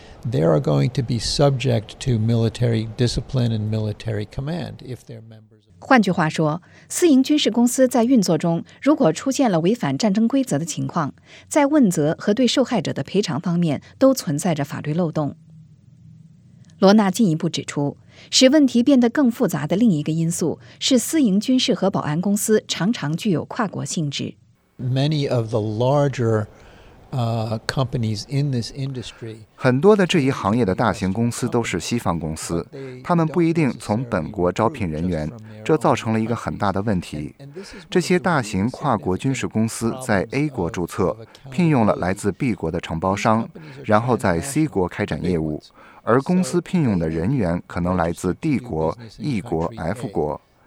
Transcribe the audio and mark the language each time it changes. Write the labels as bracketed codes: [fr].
[en] They are going to be subject to military discipline and military command if they're members. [zh] 换句话说，私营军事公司在运作中如果出现了违反战争规则的情况，在问责和对受害者的赔偿方面都存在着法律漏洞。罗纳进一步指出，使问题变得更复杂的另一个因素是私营军事和保安公司常常具有跨国性质。 [en] Many of the larger companies in this industry. [zh] 很多的这一行业的大型公司都是西方公司，他们不一定从本国招聘人员，这造成了一个很大的问题。这些大型跨国军事公司在 A 国注册，聘用了来自 B 国的承包商，然后在 C 国开展业务，而公司聘用的人员可能来自 D 国、E 国、F 国。